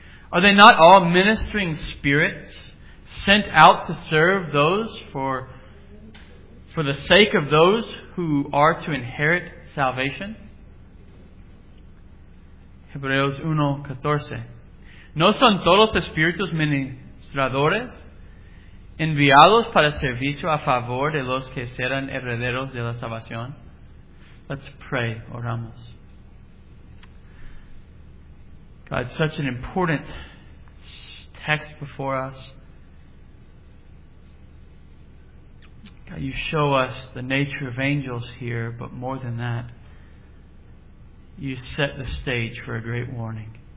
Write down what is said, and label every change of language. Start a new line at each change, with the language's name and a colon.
English: Are they not all ministering spirits sent out to serve those for the sake of those who are to inherit salvation?
Spanish: Hebreos 1:14. ¿No son todos espíritus ministradores enviados para servicio a favor de los que serán herederos de la salvación?
English: Let's pray.
Spanish: Oramos.
English: God, such an important text before us. God, you show us the nature of angels here, but more than that, you set the stage for a great warning.